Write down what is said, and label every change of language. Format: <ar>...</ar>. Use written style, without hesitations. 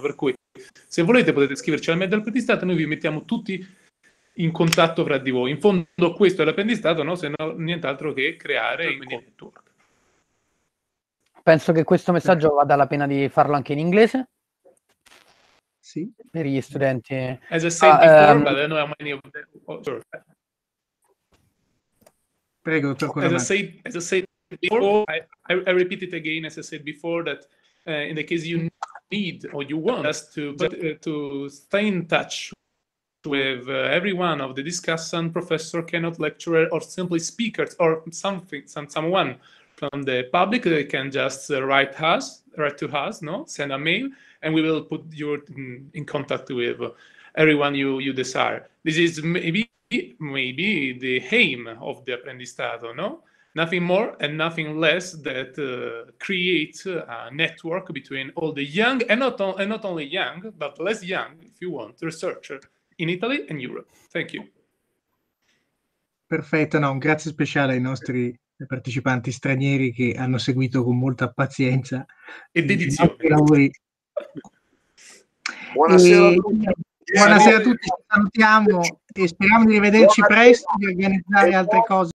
<it>Per cui, se volete, potete scriverci al Medal Pedistato, noi vi mettiamo tutti in contatto fra di voi. In fondo questo è l'apprendistato, no? Se no nient'altro che creare il network. Penso che questo messaggio vada la pena di farlo anche in inglese. Sì. Per gli studenti.</it> <en>As I said before, but I know how many of them... Oh,</en> <it>prego,</it> <en>as I said before, I repeat it again, as I said before, that in the case you need or you want us to stay in touch with every one of the discussant, professor, keynote lecturer, or simply speakers, or someone from the public, they can just write to us, no, send a mail, and we will put you in contact with everyone you desire. This is maybe the aim of the apprendistato, no, nothing more and nothing less, that create a network between all the young and not only young, but less young, if you want, researcher in Italy and Europe. Thank you.</en> <it>Perfetto, no, un grazie speciale ai nostri partecipanti stranieri che hanno seguito con molta pazienza e dedizione. Buonasera a tutti, ci salutiamo e speriamo di rivederci presto e di organizzare altre cose.</it>